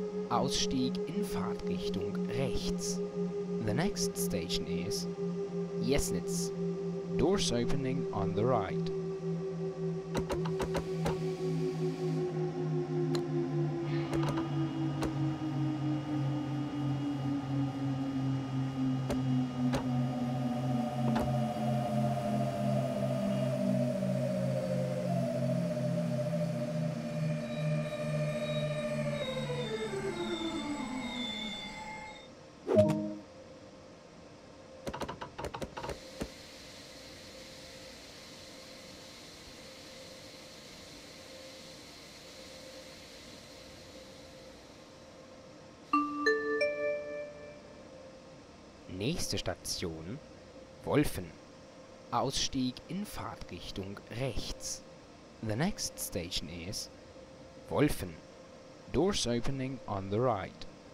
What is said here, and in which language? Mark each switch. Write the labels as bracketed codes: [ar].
[de] Ausstieg in Fahrtrichtung rechts. [en] The next station is Jesnitz. Doors opening on the right. [de] Nächste Station, Wolfen. Ausstieg in Fahrtrichtung rechts. [en] The next station is Wolfen. Doors opening on the right.